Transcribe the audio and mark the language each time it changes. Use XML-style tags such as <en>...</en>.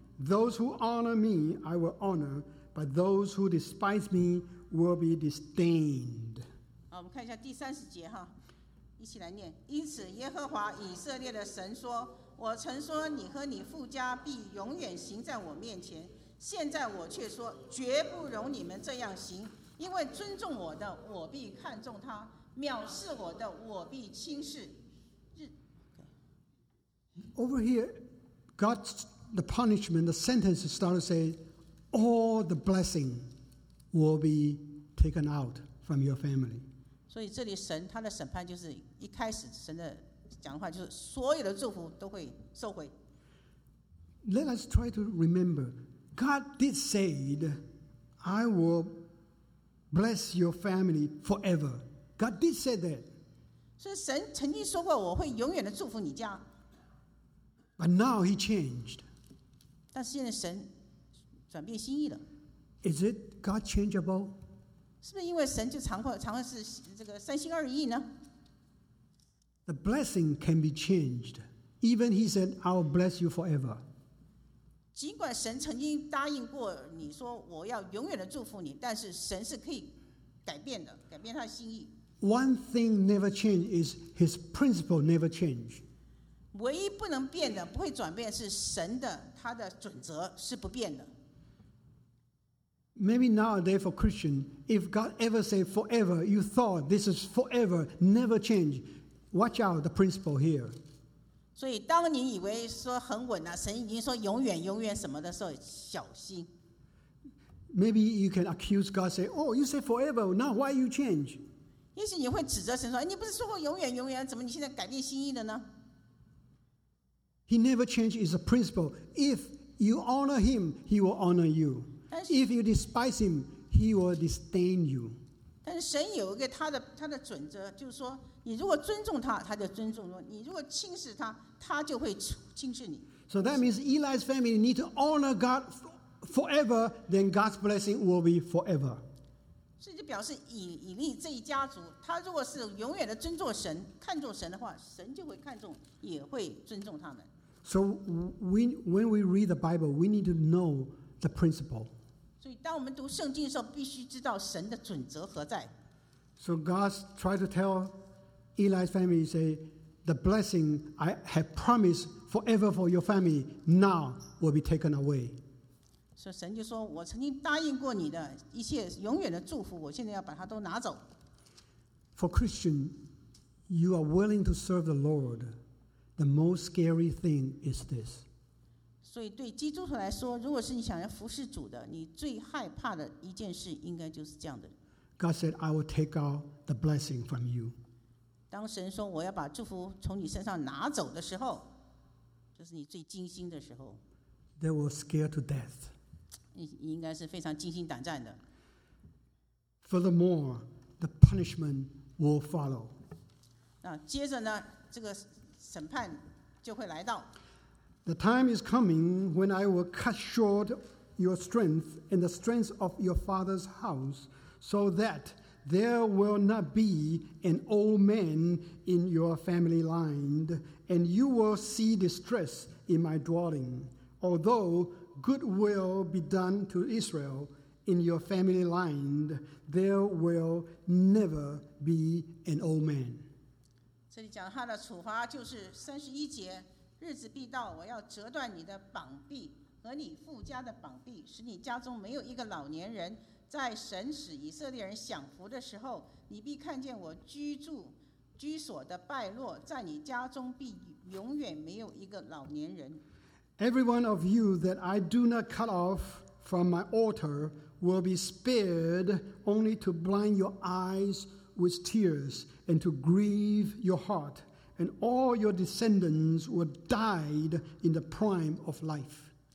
<en>Those who honor me, I will honor, but those who despise me will be disdained.</en> <zh>好，我们看一下第三十节哈，一起来念。因此，耶和华以色列的神说：“我曾说你和你父家必永远行在我面前，现在我却说绝不容你们这样行，因为尊重我的，我必看重他；藐视我的，我必轻视。”</zh> <en>Over here, God's. The punishment, the sentence starts to say, all the blessing will be taken out from your family.</en> <zh>所以这里神他的审判就是一开始神的讲话就是所有的祝福都会收回。</zh> <en>Let us try to remember, God did say, I will bless your family forever. God did say that.</en> <zh>所以神曾经说过我会永远的祝福你家。</zh> <en>But now he changed.</en> <zh>但是现在神转变心意了。</zh> <en>Is it God changeable?</en> <zh>是不是因为神就常会是这个三心二意呢？</zh> <en>The blessing can be changed. Even he said, I will bless you forever.</en> <zh>尽管神曾经答应过你说我要永远的祝福你，但是神是可以改变的，改变他的心意。</zh> <en>One thing never changed is his principle never changed.</en> <zh>唯一不能变的，不会转变，是神的，他的准则是不变的。</zh> <en>Maybe nowadays for Christian, if God ever say forever, you thought this is forever, never change. Watch out the principle here.</en> <zh>所以，当你以为说很稳了，神已经说永远、永远什么的时候，小心。</zh> <en>Maybe you can accuse God, say, "Oh, you say forever, now why you change?"</en> <zh>也许你会指责神说：“你不是说过永远、永远，怎么你现在改变心意了呢？”</zh> <en>He never changes his principle. If you honor him, he will honor you. If you despise him, he will disdain you.</en> <zh>但是神有一个他的准则，就是说，你如果尊重他，他就尊重你；如果轻视他，他就会轻视你。</zh> <en>So that means Eli's family need to honor God forever, then God's blessing will be forever.</en> <zh>所以就表示以利这一家族，他如果是永远的尊重神、看重神的话，神就会看重，也会尊重他们。</zh> <en>So when we read the Bible, we need to know the principle.</en> <zh>所以当我们读圣经的时候，必须知道神的准则何在。</zh> <en>So God tried to tell Eli's family, say, the blessing I have promised forever for your family now will be taken away.</en> <zh>所以神就说，我曾经答应过你的一切永远的祝福，我现在要把它都拿走。</zh> <en>For Christian, you are willing to serve the Lord. The most scary thing is this.</en> <zh>所以对基督徒来说，如果是你想要服侍主的，你最害怕的一件事应该就是这样的。</zh> <en>God said, "I will take out the blessing from you."</en> <zh>当神说我要把祝福从你身上拿走的时候，就是你最惊心的时候。</zh> <en>They were scared to death.</en> <zh>你应该是非常惊心胆战的。</zh> <en>Furthermore, the punishment will follow.</en> <zh>那接着呢，这个。审判就会来到。</zh> <en>The time is coming when I will cut short your strength and the strength of your father's house, so that there will not be an old man in your family line, and you will see distress in my dwelling. Although good will be done to Israel, in your family line, there will never be an old man.</en> <zh>这里讲他的处罚就是三十一节，日子必到，我要折断你的膀臂和你父家的膀臂，使你家中没有一个老年人。在神使以色列人享福的时候，你必看见我居所的败落，在你家中必永远没有一个老年人。</zh> <en>Every one of you that I do not cut off from my altar will be spared, only to blind your eyes with tears and to grieve your heart, and all your descendants will die in the prime of life.</en>